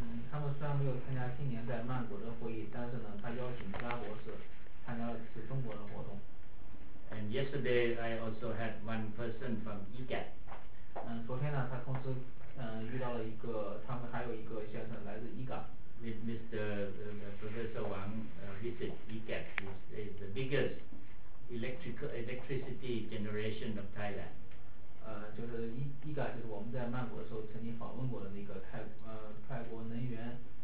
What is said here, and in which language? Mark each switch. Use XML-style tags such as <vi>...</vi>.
<zh>他们虽然没有参加今年在曼谷的会议，但是呢，他邀请吉拉博士参加了次中国的活动。</zh> <en>And yesterday I also had one person from EGAT.</en> <zh>昨天呢，他同时遇到了一个，他们还有一个先生来自 EGAT.</zh> <en>With Mr. Professor Wang visit EGAT, is the biggest electricity generation of Thailand.</en> <zh>就是 EGAT 就是我们在曼谷的时候曾经访问过的那个泰国能源。</zh>